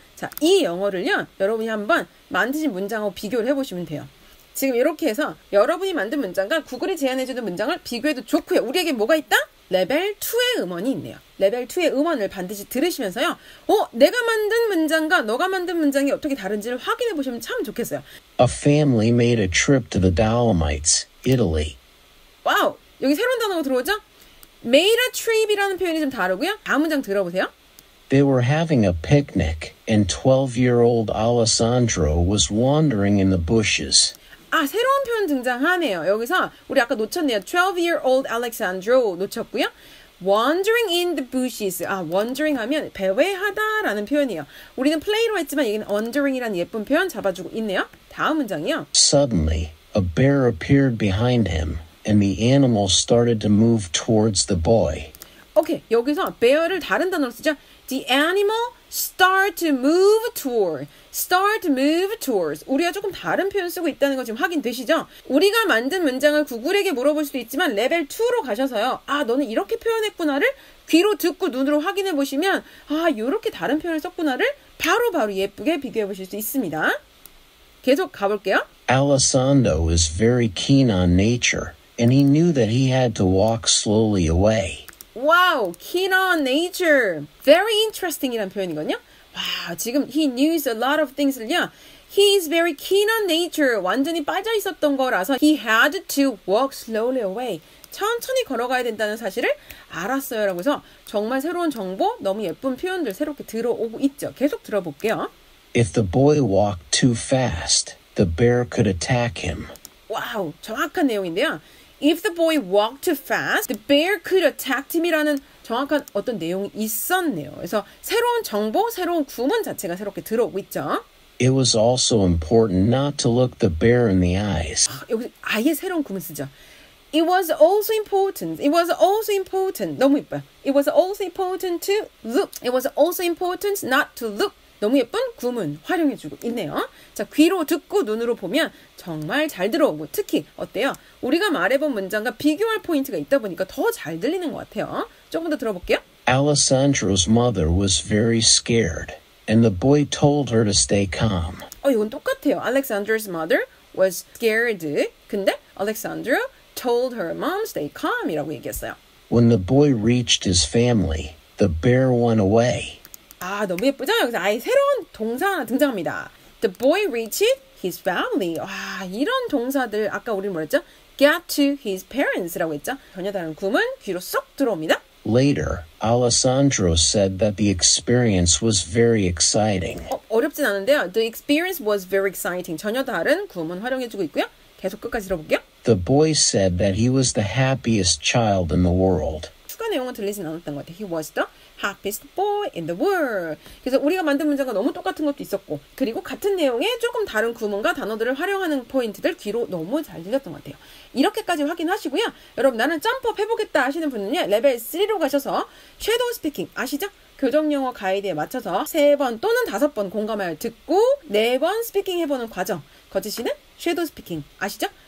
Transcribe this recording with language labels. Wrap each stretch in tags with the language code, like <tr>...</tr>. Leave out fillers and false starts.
<ko>자, 이 영어를요. 여러분이 한번 만드신 문장하고 비교를 해보시면 돼요. 지금 이렇게 해서 여러분이 만든 문장과 구글이 제안해주는 문장을 비교해도 좋고요. 우리에게 뭐가 있다? 레벨 2의 음원이 있네요. 레벨 2의 음원을 반드시 들으시면서요. 내가 만든 문장과 너가 만든 문장이 어떻게 다른지를 확인해보시면 참 좋겠어요.</ko> <en>A family made a trip to the Dolomites, Italy.</en> <ko>와우! 여기 새로운 단어가 들어오죠?</ko> <en>Made a trip</en> <ko>이라는 표현이 좀 다르고요. 다음 문장 들어보세요.</ko> <en>They were having a picnic and 12-year-old Alessandro was wandering in the bushes.</en> <ko>아, 새로운 표현 등장하네요. 여기서 우리 아까 놓쳤네요.</ko> <en>12-year-old Alessandro</en> <ko>놓쳤고요.</ko> <en>Wandering in the bushes.</en> <ko>아, wandering 하면 배회하다라는 표현이에요. 우리는 play로 했지만 여기는 wandering이라는 예쁜 표현 잡아주고 있네요. 다음 문장이요.</ko> <en>Suddenly, a bear appeared behind him. and the animal started to move towards the boy. Okay,</en> <ko>여기서 bear를 다른 단어로 쓰죠.</ko> <en>The animal start to move toward. Start move towards.</en> <ko>우리가 조금 다른 표현 쓰고 있다는 거 지금 확인되시죠? 우리가 만든 문장을 구글에게 물어볼 수도 있지만 레벨 2로 가셔서요. 아, 너는 이렇게 표현했구나를 귀로 듣고 눈으로 확인해 보시면 아, 이렇게 다른 표현을 썼구나를 바로 예쁘게 비교해 보실 수 있습니다. 계속 가볼게요.</ko> <en>Alessandro is very keen on nature and he knew that he had to walk slowly away. Wow, keen on nature. Very interesting</en> <ko>이란 표현이거든요. 와, 지금</ko> <en>he knows a lot of things</en> <ko>를요.</ko> <en>He is very keen on nature.</en> <ko>완전히 빠져 있었던 거라서</ko> <en>he had to walk slowly away.</en> <ko>천천히 걸어가야 된다는 사실을 알았어요. 라고 해서 정말 새로운 정보, 너무 예쁜 표현들 새롭게 들어오고 있죠. 계속 들어볼게요.</ko> <en>If the boy walked too fast, the bear could attack him.</en> <ko>와우, 정확한 내용인데요.</ko> <en>If the boy walked too fast, the bear could attack him</en> <ko>이라는 정확한 어떤 내용이 있었네요. 그래서 새로운 정보, 새로운 구문 자체가 새롭게 들어오고 있죠.</ko> <en>It was also important not to look the bear in the eyes.</en> <ko>아, 여기 아예 새로운 구문 쓰죠.</ko> <en>It was also important. It was also important. 너무 예뻐요. It was also important to look. It was also important not to look.</en> <ko>너무 예쁜 구문 활용해주고 있네요. 자, 귀로 듣고 눈으로 보면 정말 잘 들어오고 특히 어때요? 우리가 말해본 문장과 비교할 포인트가 있다 보니까 더 잘 들리는 것 같아요. 조금 더 들어볼게요.</ko> <en>Alessandro's mother was very scared and the boy told her to stay calm.</en> <ko>이건 똑같아요.</ko> <en>Alessandro's mother was scared.</en> <ko>근데</ko> <en>Alessandro told her mom stay calm</en> <ko>이라고 얘기했어요.</ko> <en>When the boy reached his family, the bear went away.</en> <ko>아, 너무 예쁘죠? 여기서 아예 새로운 동사 하나 등장합니다.</ko> <en>The boy reached his family.</en> <ko>와, 이런 동사들 아까 우리 뭐랬죠?</ko> <en>Get to his parents</en> <ko>라고 했죠? 전혀 다른 구문 귀로 쏙 들어옵니다.</ko> <en>Later, Alessandro said that the experience was very exciting.</en> <ko>어렵진 않은데요.</ko> <en>The experience was very exciting.</en> <ko>전혀 다른 구문 활용해주고 있고요. 계속 끝까지 들어볼게요.</ko> <en>The boy said that he was the happiest child in the world.</en> <ko>추가 내용은 들리진 않았던 것 같아요.</ko> <en>He was the happiest boy in the world.</en> <ko>그래서 우리가 만든 문장과 너무 똑같은 것도 있었고 그리고 같은 내용에 조금 다른 구문과 단어들을 활용하는 포인트들 귀로 너무 잘 들렸던 것 같아요. 이렇게까지 확인하시고요. 여러분 나는 점프업 해보겠다 하시는 분은요. 레벨 3로 가셔서 섀도우 스피킹 아시죠? 교정영어 가이드에 맞춰서 3번 또는 5번 공감하여 듣고 4번 스피킹 해보는 과정 거치시는 섀도우 스피킹 아시죠?</ko>